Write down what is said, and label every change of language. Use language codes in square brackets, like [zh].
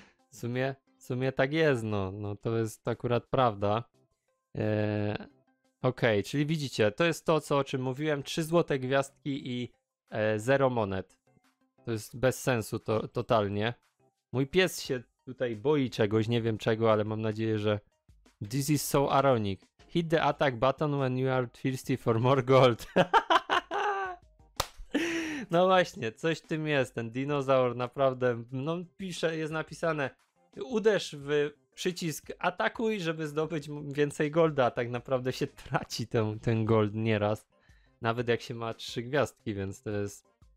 [pl] W sumie tak jest, no to jest akurat prawda. Okej, czyli widzicie, to jest to, co o czym mówiłem, 3 złote gwiazdki i 0 monet. To jest bez sensu to totalnie. Mój pies się tutaj boi czegoś, nie wiem czego, ale mam nadzieję, że... [en] This is so ironic. Hit the attack button when you are thirsty for more gold. [pl] No właśnie, coś w tym jest, ten dinozaur naprawdę, no pisze, jest napisane, uderz w przycisk atakuj, żeby zdobyć więcej golda, tak naprawdę się traci ten gold nieraz, nawet jak się ma 3 gwiazdki, więc to jest...